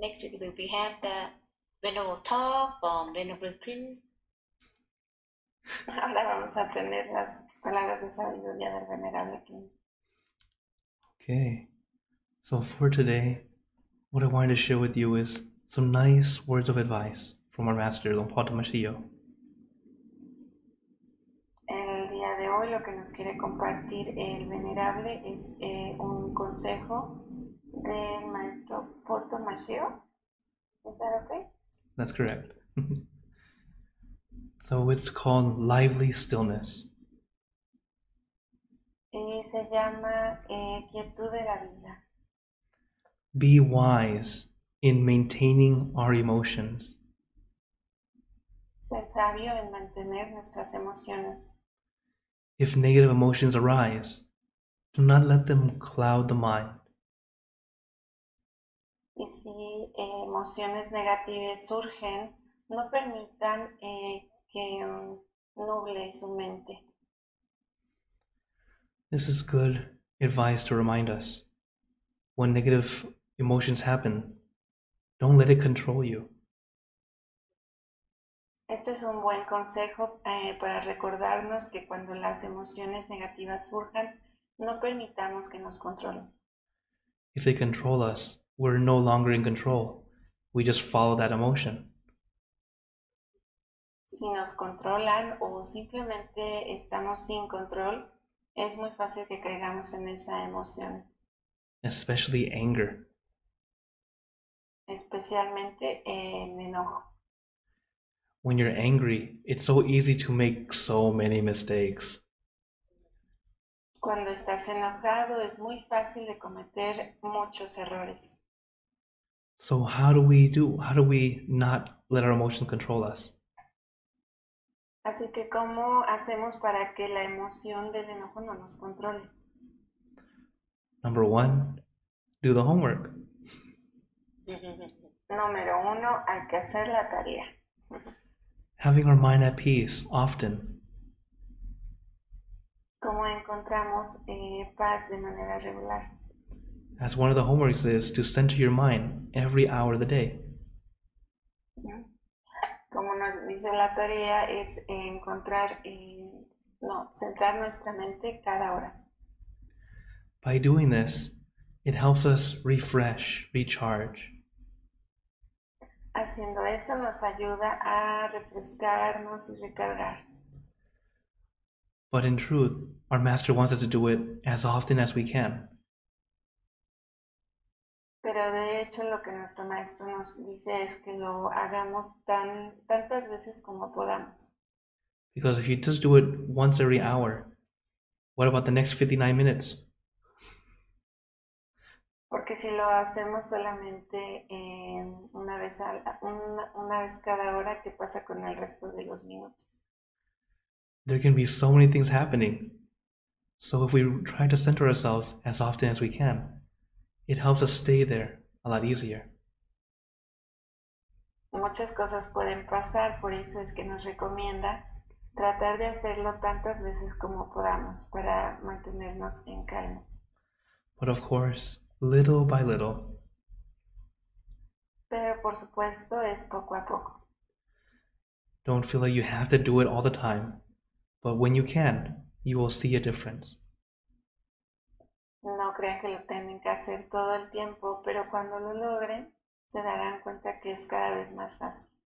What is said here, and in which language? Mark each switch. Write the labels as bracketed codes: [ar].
[en] Next week we have the Venoclin talk from Venoclin. [es] Ahora vamos a aprender las palabras de sabiduría del venerable King. [en] Okay. So for today, what I wanted to share with you is some nice words of advice from our master, Lompo Tamashiyo. [es] El día de hoy lo que nos quiere compartir el venerable es un consejo del maestro Poto Mashio. [en] Is that okay? That's correct. So it's called lively stillness. [es] Y se llama quietud de la vida. [en] Be wise in maintaining our emotions. [es] Ser sabio en mantener nuestras emociones. [en] If negative emotions arise, do not let them cloud the mind. [es] Y si emociones negativas surgen, no permitan que nuble su mente. [en] This is good advice to remind us. When negative emotions happen, don't let it control you. [es] Este es un buen consejo para recordarnos que cuando las emociones negativas surjan, no permitamos que nos controlen. [en] If they control us, we're no longer in control. We just follow that emotion. [es] Si nos controlan o simplemente estamos sin control, Es muy fácil que caigamos en esa emoción. [en] Especially anger. [es] Especialmente en enojo. [en] When you're angry, it's so easy to make so many mistakes. [es] Cuando estás enojado, es muy fácil de cometer muchos errores. [en] So how do we do? How do we not let our emotions control us? [es] Así que, ¿cómo hacemos para que la emoción del enojo no nos controle? [en] Number one, do the homework. [es] Número uno, hay que hacer la tarea. [en] Having our mind at peace, often. [es] ¿Cómo encontramos paz de manera regular? [en] As one of the homeworks is to center your mind every hour of the day. [es] Como nos dice la tarea, es encontrar, centrar nuestra mente cada hora. [en] By doing this, it helps us refresh, recharge. [es] Haciendo esto nos ayuda a refrescarnos y recargar. [en] But in truth, our master wants us to do it as often as we can. [es] Pero de hecho lo que nuestro maestro nos dice es que lo hagamos tantas veces como podamos. [en] Because if you just do it once every hour, what about the next 59 minutes? [es] Porque si lo hacemos solamente una vez cada hora, ¿qué pasa con el resto de los minutos? [en] There can be so many things happening. So if we try to center ourselves as often as we can, it helps us stay there a lot easier. [es] Muchas cosas pueden pasar, por eso es que nos recomienda tratar de hacerlo tantas veces como podamos para mantenernos en calma. [en] But of course, little by little. [es] Pero por supuesto, es poco a poco. [en] Don't feel like you have to do it all the time, but when you can, you will see a difference. [es] No crean que lo tienen que hacer todo el tiempo, pero cuando lo logren, se darán cuenta que es cada vez más fácil.